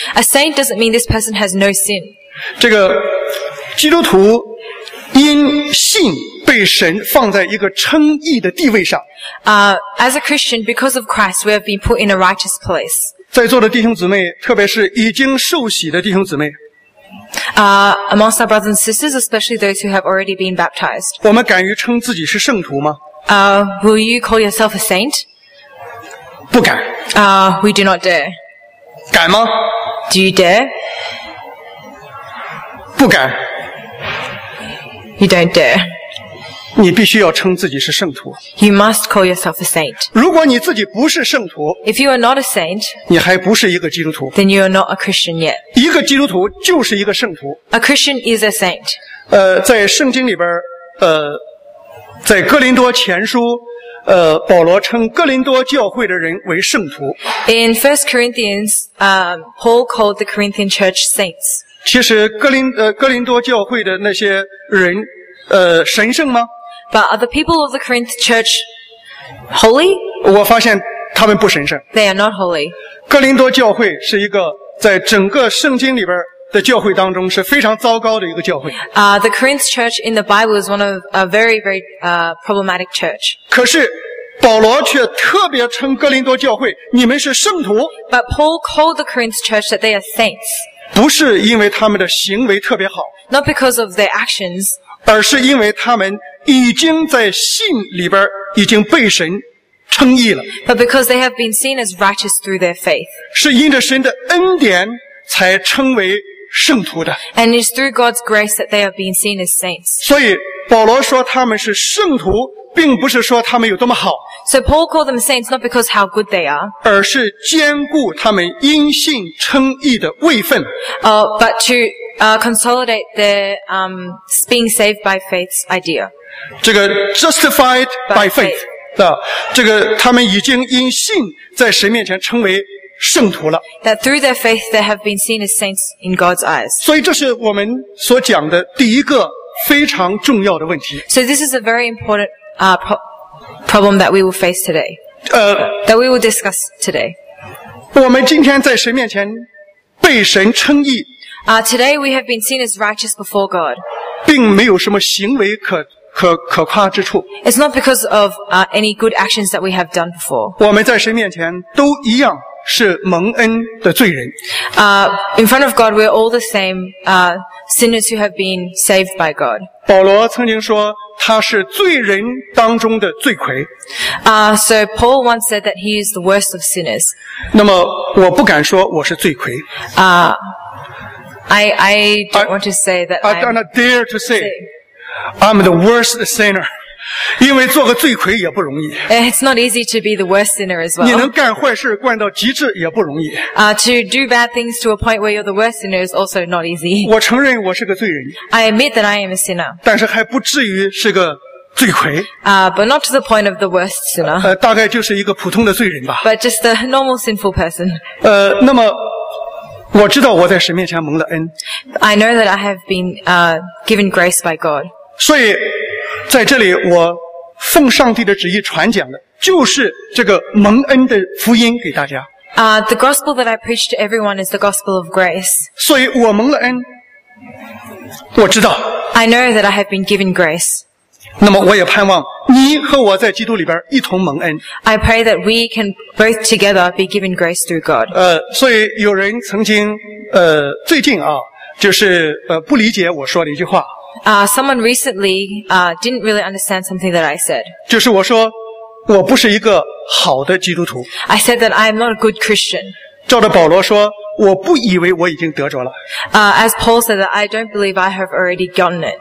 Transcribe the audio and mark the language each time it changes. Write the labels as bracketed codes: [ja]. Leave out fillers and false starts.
[en] A saint doesn't mean this person has no sin. [zh] 这个基督徒因信被神放在一个称义的地位上。 [en] As a Christian, because of Christ, we have been put in a righteous place. [zh] 在座的弟兄姊妹，特别是已经受洗的弟兄姊妹。 [en] Amongst our brothers and sisters, especially those who have already been baptized. [zh] 我们敢于称自己是圣徒吗？ [en] Will you call yourself a saint? [zh] 不敢。 [en] We do not dare. [zh] 敢吗？ [en] Do you dare? [zh] 不敢。 [en] You don't dare. [zh] 你必须要称自己是圣徒。 [en] You must call yourself a saint. [zh] 如果你自己不是圣徒， [en] If you are not a saint, [zh] 你还不是一个基督徒。 [en] Then you are not a Christian yet. [zh] 一个基督徒就是一个圣徒。 [en] A Christian is a saint. [zh] 在圣经里边在哥林多前书保罗称哥林多教会的人为圣徒。 [en] In 1 Corinthians, Paul called the Corinthian church saints. [zh] 其实哥林多教会的那些人神圣吗？ [en] But are the people of the Corinth church holy? [zh] 我发现他们不神圣。 [en] They are not holy. [zh] 哥林多教会是一个在整个圣经里边的教会当中是非常糟糕的一个教会。 [en] The Corinth church in the Bible is one of a very, very, problematic church. [zh] 可是保罗却特别称哥林多教会，你们是圣徒。 [en] But Paul called the Corinth church that they are saints. [zh] 不是因为他们的行为特别好。 [en] Not because of their actions. [zh] 而是因为他们已经在信里边已经被神称义了。 [en] But because they have been seen as righteous through their faith. [zh] 是因着神的恩典才称为圣徒的。 [en] And it's through God's grace that they are being seen as saints. [zh] 所以保罗说他们是圣徒，并不是说他们有多么好。 [en] So Paul called them saints not because how good they are. [zh] 而是兼顾他们因信称义的位分。 [en] But to consolidate their being saved by faith's idea. [zh] 这个 [en] justified by faith. [zh] 这个他们已经因信在神面前称为圣徒了。 [en] That through their faith they have been seen as saints in God's eyes. [zh] 所以这是我们所讲的第一个非常重要的问题。 [en] So this is a very important problem that we will face today. That we will discuss today. [zh] 我们今天在神面前被神称义。 [en] Today we have been seen as righteous before God. [zh] 并没有什么行为可夸之处。 [en] It's not because of any good actions that we have done before. [zh] 我们在神面前都一样是蒙恩的罪人。 [en] In front of God, we're all the same sinners who have been saved by God. [zh] 保罗曾经说他是罪人当中的罪魁。 [en] So Paul once said that he is the worst of sinners. [zh] 那么我不敢说我是罪魁。 [en] I don't want to say that I don't dare to say I'm the worst sinner. [zh] 因为做个罪魁也不容易。 [en] It's not easy to be the worst sinner as well. [zh] 你能干坏事干到极致也不容易。 [en] To do bad things to a point where you're the worst sinner is also not easy. [zh] 我承认我是个罪人。 [en] I admit that I am a sinner. [zh] 但是还不至于是个罪魁。 [en] But not to the point of the worst sinner. [zh] 大概就是一个普通的罪人吧。 [en] But just a normal sinful person. [zh] 那么我知道我在神面前蒙了恩。 [en] I know that I have been given grace by God. [zh] 所以在这里我奉上帝的旨意传讲的就是这个蒙恩的福音给大家。 [en] The gospel that I preach to everyone is the gospel of grace. [zh] 所以我蒙了恩。我知道。 [en] I know that I have been given grace. [zh] 那么我也盼望你和我在基督里边一同蒙恩。 [en] I pray that we can both together be given grace through God. [zh] 所以有人曾经最近啊就是不理解我说的一句话。 [en] Someone recently, didn't really understand something that I said. [zh] 就是我说我不是一个好的基督徒。 [en] I said that I am not a good Christian. [zh] 照着保罗说我不以为我已经得着了。 [en] As Paul said, I don't believe I have already gotten it.